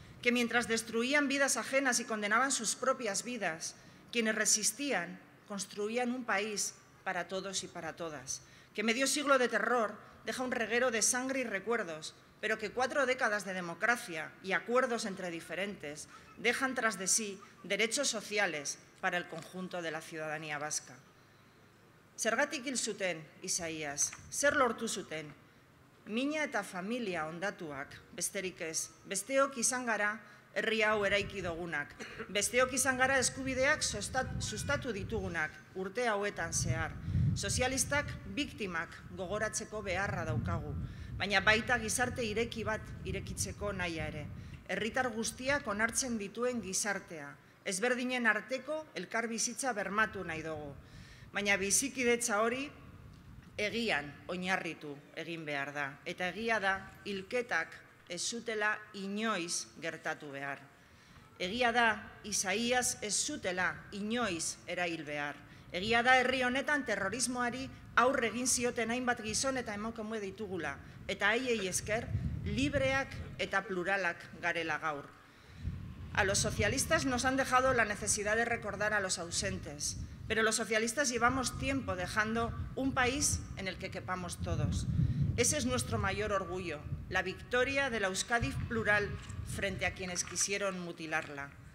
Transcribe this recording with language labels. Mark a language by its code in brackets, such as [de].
[es] Que mientras destruían vidas ajenas y condenaban sus propias vidas, quienes resistían construían un país para todos y para todas. Que medio siglo de terror deja un reguero de sangre y recuerdos, pero que 4 décadas de democracia y acuerdos entre diferentes dejan tras de sí derechos sociales para el conjunto de la ciudadanía vasca. [eu] Zergatik hil zuten, Isaías, zer lortu zuten, mina eta familia ondatuak, besterik ez, besteok izan gara herri hau eraiki dugunak, besteok izan gara eskubideak sustatu ditugunak urte hauetan zehar, sozialistak biktimak gogoratzeko beharra daukagu, baina baita gizarte ireki bat irekitzeko nahia ere, herritar guztiak onartzen dituen gizartea, ezberdinen arteko elkarbizitza bermatu nahi dugu. Baina bizikidetza hori egian oinarritu egin behar da. Eta egia da, hilketak ez zutela inoiz gertatu behar. Egia da, Isaías ez zutela inoiz erail behar. Egia da, herri honetan terrorismoari aurre egin zioten hainbat gizon eta emakume ditugula. Eta haiei esker, libreak eta pluralak garela gaur. [es] A los socialistas nos han dejado la necesidad de recordar a los ausentes, pero los socialistas llevamos tiempo dejando un país en el que quepamos todos. Ese es nuestro mayor orgullo, la victoria de la Euskadi plural frente a quienes quisieron mutilarla.